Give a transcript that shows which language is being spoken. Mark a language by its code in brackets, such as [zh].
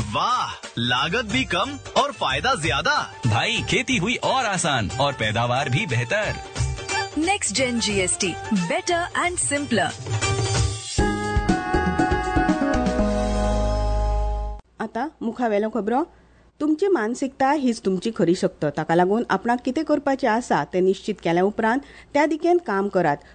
[hi] वाह, लागत भी कम और फायदा ज्यादा. भाई, खेती हुई और आसान और पैदावार भी बेहतर. [en] Next gen GST, better and simpler. [kok] आता मुखावेलो खबरो. तुमची मानसिकता हीच तुमची खरी शक्त. ताका लागून आपणाक कितें करपाचें आसा तें निश्चीत केल्या उपरांत त्या दिकेन काम करात.